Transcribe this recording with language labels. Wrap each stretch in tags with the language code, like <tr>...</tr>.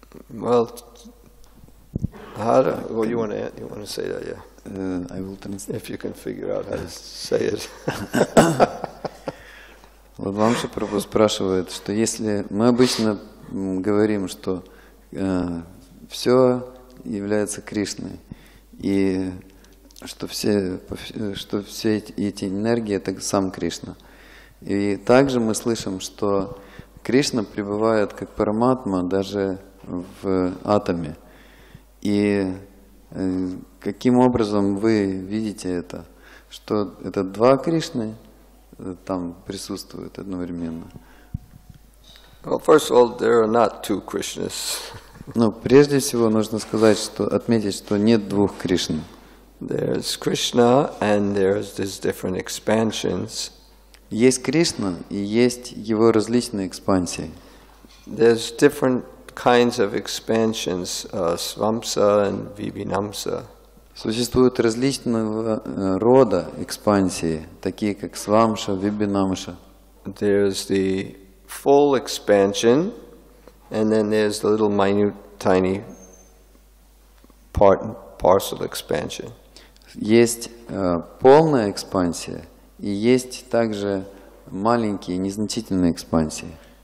<en>Well, you want to say that, yeah? I will translate. If you can figure out how to say it.</en> <ru>Вот вам же Прабху спрашивает, что если мы обычно говорим, что все является Кришной, и что все эти энергии это сам Кришна, и также мы слышим, что Кришна пребывает как Параматма даже в атоме. И каким образом вы видите это? Что это два Кришны там присутствуют одновременно?</ru> <en>Well, first of all, there are not two Krishnas.</en> <ru>Но прежде всего нужно сказать, что отметить, что нет двух Кришн.</ru> <en>There's Krishna and there's these different expansions.</en> <ru>Есть Кришна и есть его различные экспансии.</ru> <en>There's different kinds of expansions, svamsa and vibhinamsa.</en> <ru>Существуют различного рода экспансии, такие как свамша, вибинамша.</ru> <en>There's the full expansion, and then there's the little minute, tiny part and parcel expansion.</en> <ru>Есть полная экспансия, и есть также маленькие, незначительные экспансии.</ru>